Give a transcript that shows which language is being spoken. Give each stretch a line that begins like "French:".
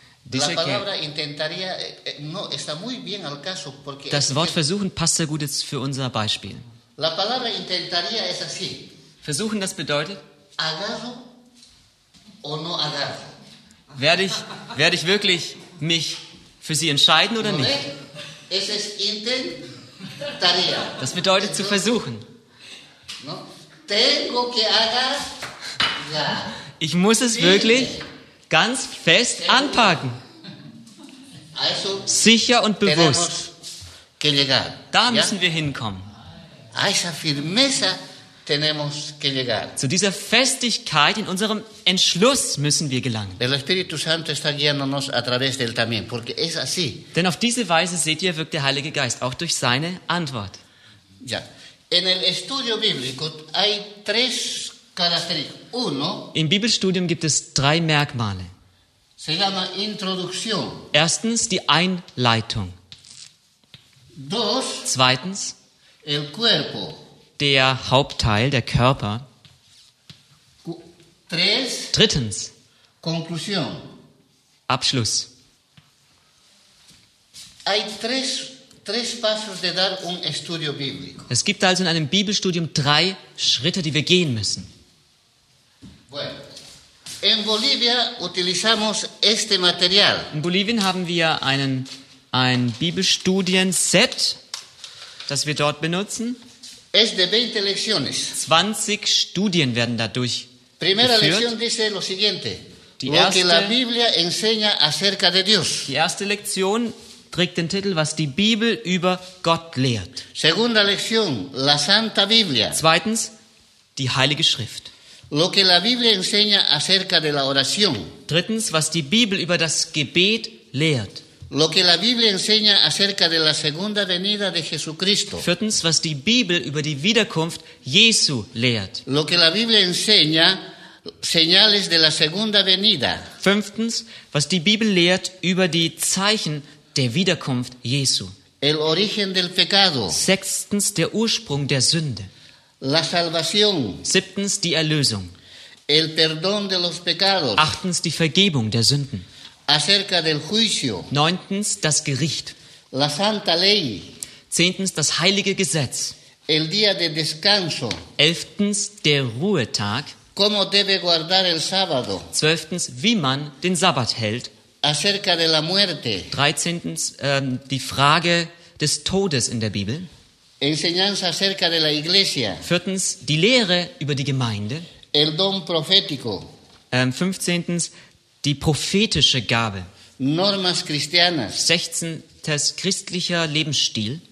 Spanish: La palabra intentaría no está muy bien al caso porque
German: das Wort versuchen passt sehr gut jetzt für unser Beispiel.
Spanish: La palabra intentaría es así.
German: Versuchen, das bedeutet
Spanish: agarro o no agarro.
German: Werde ich wirklich mich für sie entscheiden oder nicht? Es ist intentaría. Das bedeutet zu versuchen.
Spanish: No? Tengo que agarrar.
German: Ich muss es wirklich ganz fest anpacken. Also, sicher und bewusst.
Spanish: Que llegar,
German: da müssen wir hinkommen.
Spanish: A esa firmeza tenemos que llegar.
German: Zu dieser Festigkeit in unserem Entschluss müssen wir gelangen.
Spanish: El Espíritu Santo está guiándonos a través del también, porque es así.
German: Denn auf diese Weise, seht ihr, wirkt der Heilige Geist, auch durch seine Antwort. Ja.
Spanish: En el estudio bíblico hay tres características. Uno.
German: Im Bibelstudium gibt es drei Merkmale.
Spanish: Se llama introducción.
German: Erstens die Einleitung.
Spanish: Dos.
German: Zweitens.
Spanish: El cuerpo.
German: Der Hauptteil, der Körper.
Spanish: Tres.
German: Drittens.
Spanish: Conclusión.
German: Abschluss.
Spanish: Hay tres pasos de dar un estudio bíblico.
German: Es gibt also in einem Bibelstudium drei Schritte, die wir gehen müssen.
Spanish: Bueno, en Bolivia utilizamos este material.
German: In Bolivien haben wir ein Bibelstudienset, das wir dort benutzen.
Spanish: Es de 20 lecciones.
German: 20 Studien werden dadurch
Spanish: Primera
German: geführt.
Spanish: Lección dice lo siguiente. Lo que la Biblia enseña acerca de Dios.
German: Die erste Lektion trägt den Titel, was die Bibel über Gott lehrt.
Spanish: Segunda lección, la Santa Biblia.
German: Zweitens, die Heilige Schrift.
Spanish: Lo que la Biblia enseña acerca de la oración.
German: Drittens, was die Bibel über das Gebet lehrt.
Spanish: Lo que la Biblia enseña acerca de la segunda venida de Jesucristo.
German: Viertens, was die Bibel über die Wiederkunft Jesu lehrt.
Spanish: Lo que la Biblia enseña, señales de la segunda venida.
German: Fünftens, was die Bibel lehrt über die Zeichen der Wiederkunft Jesu.
Spanish: El origen del pecado.
German: Sechstens, der Ursprung der Sünde.
Spanish: La salvación.
German: Siebtens, die Erlösung.
Spanish: El perdón de los pecados.
German: Achtens, die Vergebung der Sünden.
Spanish: Acerca del juicio.
German: Neuntens, das Gericht.
Spanish: La santa ley.
German: Zehntens, das heilige Gesetz.
Spanish: El día de descanso.
German: Elftens, der Ruhetag.
Spanish: Cómo debe guardar el sábado.
German: Zwölftens, wie man den Sabbat hält.
Spanish: Acerca de la muerte.
German: 13. Die Frage des Todes in der Bibel.
Spanish: Enseñanza acerca de la iglesia.
German: 4. Die Lehre über die Gemeinde.
Spanish: El don profético.
German: 15. Die prophetische Gabe.
Spanish: Normas cristianas.
German: 16. Christlicher Lebensstil.